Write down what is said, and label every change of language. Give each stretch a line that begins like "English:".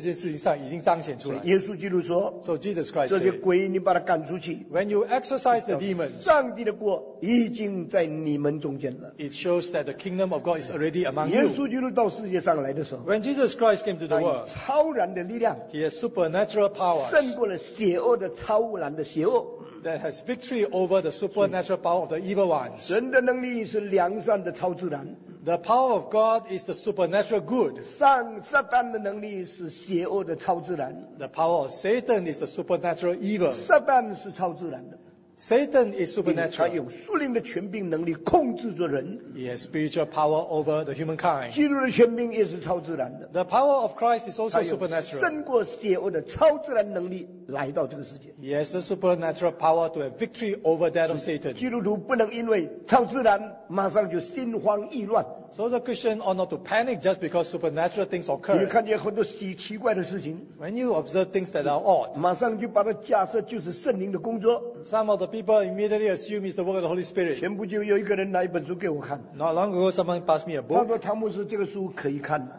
Chinese: 因为上帝的国的能力在赶鬼的这件事情上已经彰显出来。耶稣基督说,
English: so Jesus Christ
Chinese: said, 这些鬼你把它赶出去,
English: when you exorcise the demons,
Chinese: 上帝的国已经在你们中间了。
English: It shows that the kingdom of God is already among you.
Chinese: 耶稣基督到世界上来的时候,
English: when Jesus Christ came to the world,
Chinese: 超然的力量,
English: he has supernatural power,
Chinese: 胜过了邪恶的超然的邪恶,
English: that has victory over the supernatural power of the evil ones.
Chinese: 神的能力是良善的超自然,
English: the power of God is the supernatural good.
Chinese: 撒旦的能力是邪恶的超自然,
English: the power of Satan is the supernatural evil.
Chinese: 撒旦是超自然的,
English: Satan is supernatural.
Chinese: 他有属灵的权柄能力控制着人,
English: he has spiritual power over the humankind.
Chinese: 基督的权柄也是超自然的,
English: the power of Christ is also supernatural.
Chinese: 胜过邪恶的超自然能力来到这个世界,
English: he has the supernatural power to have victory over that of Satan.
Chinese: 基督徒不能因为超自然马上就心慌意乱,
English: so the Christian ought not to panic just because supernatural things occur.
Chinese: 你看见很多奇怪的事情,
English: when you observe things that are odd,
Chinese: 马上就把它假设就是圣灵的工作,
English: some of the people immediately assume it's the work of the Holy Spirit.
Chinese: 前不久有一个人拿一本书给我看,
English: not long ago someone passed me a book.
Chinese: 他说唐牧师这个书可以看吗?